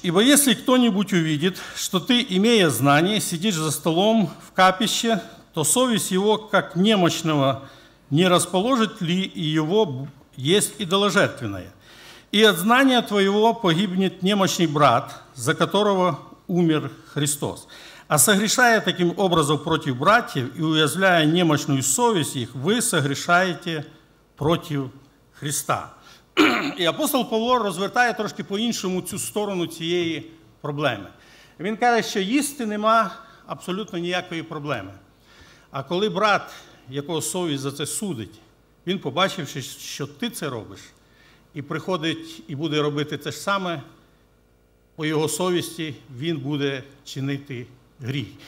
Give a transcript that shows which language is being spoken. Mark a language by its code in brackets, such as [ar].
[uk] «Ібо якщо хто-небудь [ru] увидит, що ти, імея знання, сидиш за столом в капище, то совість його, як немощного, не розположить ли його єсть ідоложертвенне? [uk] І від знання твоєго [ru] погибнет немощний брат, за которого умер Христос. А согрешая таким образом против братьев и уязвляя немощную совесть их, вы согрешаете против Христа. [uk] І апостол Павло розвертає трошки по-іншому цю сторону цієї проблеми. Він каже, що їсти нема абсолютно ніякої проблеми. А коли брат, якого совість за це судить, він, побачивши, що ти це робиш, і приходить і буде робити те ж саме, по його совісті він буде чинити гріх.